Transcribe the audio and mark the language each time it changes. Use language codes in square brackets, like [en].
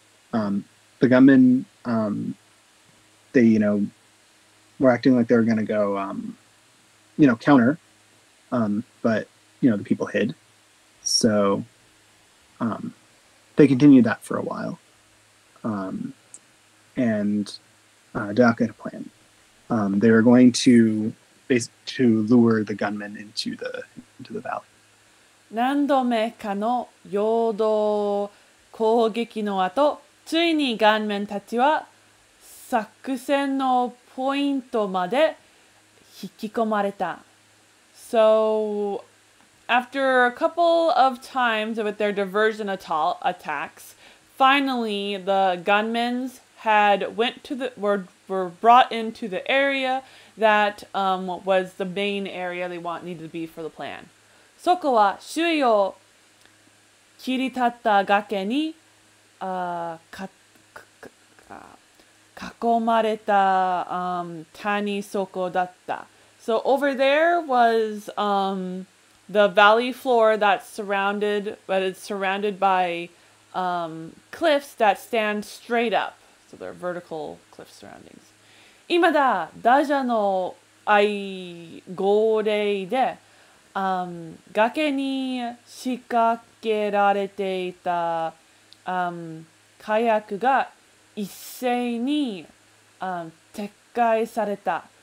[en] The gunmen, they, you know, were acting like they were going to go, you know, counter, but, you know, the people hid. So, they continued that for a while. Dayaka had a plan. They were going to lure the gunmen into the valley. [ja] 何度目かの陽動攻撃の後、ついにガンメンたちは作戦のポイントまで引き込まれた。 [en] So, after a couple of times with their diversion attacks, finally the gunmen were brought into the area that was the main area they needed to be for the plan. [ja] そこは周囲を切り立った崖に囲まれた谷底だった。 [en] So over there was the valley floor that is surrounded by cliffs that stand straight up. So there are vertical cliff surroundings. [ja] 今だ、ダジャの愛護霊で、崖に仕掛けられていた、火薬が一斉に、撤回された。